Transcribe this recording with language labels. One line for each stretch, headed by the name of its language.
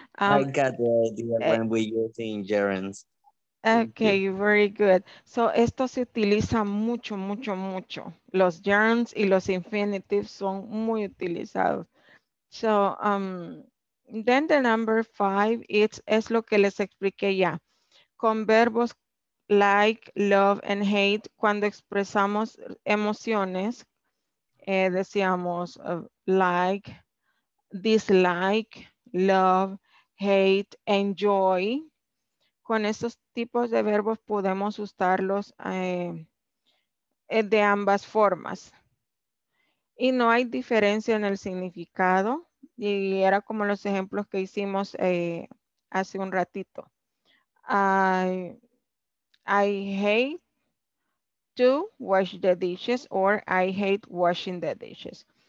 English: I got the idea when we using gerunds. Okay, very good. So,
Spanish: esto se utiliza mucho, mucho, mucho. Los gerunds y los infinitives son muy utilizados.
English: So, then the number five,
Spanish: es lo que les expliqué ya. Con verbos like, love, and hate, cuando expresamos emociones, decíamos like, dislike, love, hate, enjoy. Con esos tipos de verbos podemos usarlos de ambas formas. Y no hay diferencia en el significado. Y era como los ejemplos que hicimos hace un ratito.
English: I hate to wash the dishes or I hate washing the dishes.